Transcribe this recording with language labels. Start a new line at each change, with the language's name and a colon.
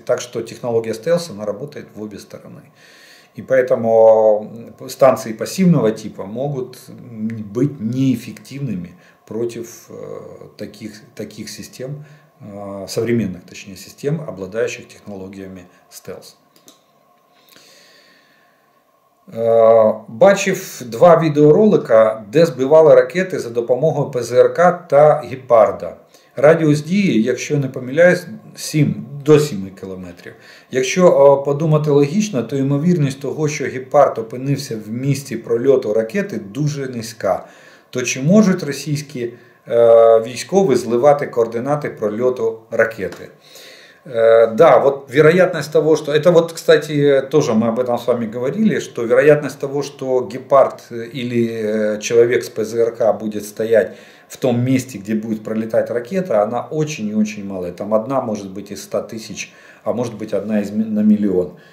Russian: Так что технология стелс, она работает в обе стороны. И поэтому станции пассивного типа могут быть неэффективными против таких систем, современных, точнее, систем, обладающих технологиями стелс.
Ukrainian: Бачив два відеоролика, де збивали ракети за допомогою ПЗРК та Гепарда. Радіус дії, якщо не помиляюсь, 7 до 7 кілометрів. Якщо подумати логічно, то ймовірність того, що Гепард опинився в місці прольоту ракети, дуже низька. То чи можуть російські військові зливати координати прольоту ракети?
Russian: Да, вот вероятность того, что... Это вот, кстати, тоже мы об этом с вами говорили, что вероятность того, что гепард или человек с ПЗРК будет стоять в том месте, где будет пролетать ракета, она очень и очень малая. Там одна может быть из 100 тысяч, а может быть одна из на миллион.